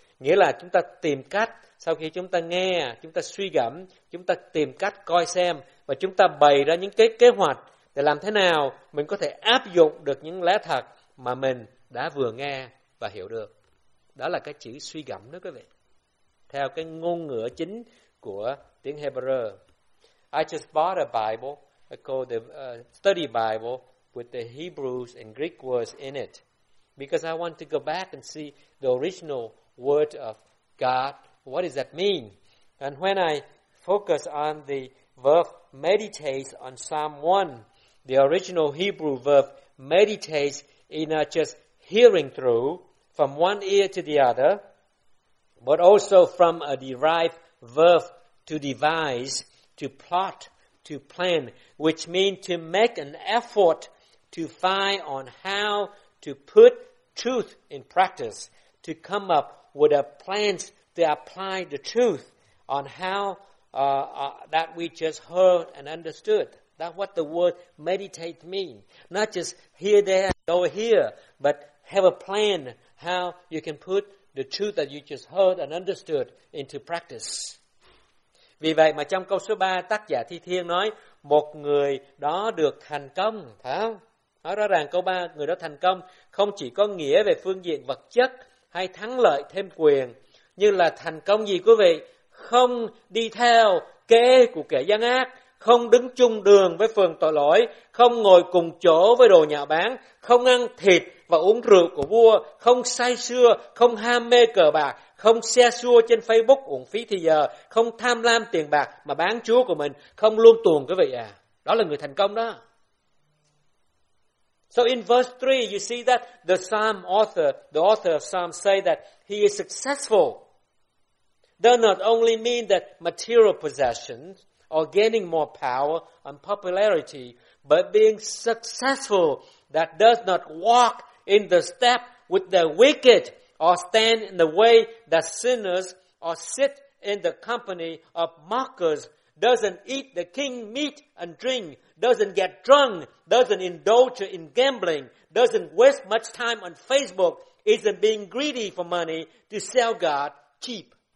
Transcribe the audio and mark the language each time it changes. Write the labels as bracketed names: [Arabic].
[Vietnamese] Nghĩa là chúng ta tìm cách, sau khi chúng ta nghe, chúng ta suy gẫm, chúng ta tìm cách coi xem, và chúng ta bày ra những kế hoạch để làm thế nào mình có thể áp dụng được những lẽ thật mà mình đã vừa nghe và hiểu được. Đó là cái chữ suy gẫm đó quý vị, theo cái ngôn ngữ chính của tiếng Hebrew. [English] I just bought a Bible called the Study Bible with the Hebrew and Greek words in it, because I want to go back and see the original word of God. What does that mean? And when I focus on the verb meditate on Psalm 1, the original Hebrew verb meditate is not just hearing through from one ear to the other, but also from a derived verb to devise, to plot, to plan, which means to make an effort to find on how to put truth in practice, to come up with a plan to apply the truth on how that we just heard and understood. That's what the word meditate means. Not just here, there, over here, but have a plan how you can put the truth that you just heard and understood into practice. [Vietnamese] Vì vậy mà trong câu số 3, tác giả Thi Thiên nói, một người đó được thành công. Nói rõ ràng câu 3, người đó thành công không chỉ có nghĩa về phương diện vật chất hay thắng lợi thêm quyền, như là thành công gì quý vị? Không đi theo kế của kẻ gian ác, không đứng chung đường với phường tội lỗi, không ngồi cùng chỗ với đồ nhạo báng, không ăn thịt và uống rượu của vua, không say sưa, không ham mê cờ bạc, không xe xua trên Facebook uổng phí thì giờ, không tham lam tiền bạc mà bán chúa của mình, không luôn tuồng quý vị à. Đó là người thành công đó. [English] So in verse 3, you see that the psalm author, the author of psalm say that he is successful. Does not only mean that material possessions or gaining more power and popularity, but being successful that does not walk in the step with the wicked or stand in the way that sinners or sit in the company of mockers, doesn't eat the king meat and drink, doesn't get drunk, doesn't indulge in gambling, doesn't waste much time on Facebook, isn't being greedy for money to sell God cheap.